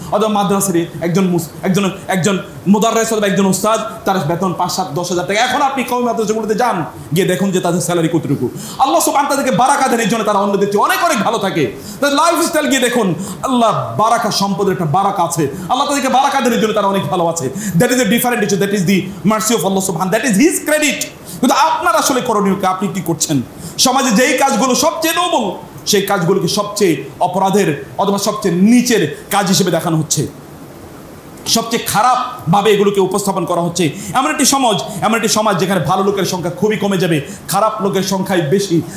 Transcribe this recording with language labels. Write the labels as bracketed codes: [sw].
[bn] অথবা মাদ্রাসার একজন মুদাররেস অথবা একজন ওস্তাদ, তার বেতন 5-7-10,000 টাকা। এখন আপনি কওমি মাদ্রাসাগুলোতে যান, গিয়ে দেখুন যে তাদের স্যালারি কতটুকু। আল্লাহ সুবহান তাদেরকে বারাকা দেন, এই জন্য তারা অন্যদের চেয়ে অনেক অনেক ভালো থাকে, তাদের লাইফ স্টাইল গিয়ে দেখুন, আল্লাহ বারাকা সম্পদের একটা বারাকা আছে, আল্লাহ তাদেরকে বারাকা দেন, এই জন্য তারা অনেক ভালো আছে। [en] That is a different issue. That is the mercy of Allah Subhanahu. That is His credit. [bn] কিন্তু আপনার আসলে করণীয় কি, আপনি কি করছেন? সমাজে যেই কাজগুলো সবচেয়ে নোবল, সেই কাজগুলোকে সবচেয়ে অপরাধের অথবা সবচেয়ে নিচের কাজ হিসেবে দেখানো হচ্ছে, সবচেয়ে খারাপ ভাবে এগুলোকে উপস্থাপন করা হচ্ছে। এমন একটি সমাজ যেখানে ভালো লোকের সংখ্যা খুবই কমে যাবে, খারাপ লোকের সংখ্যাই বেশি।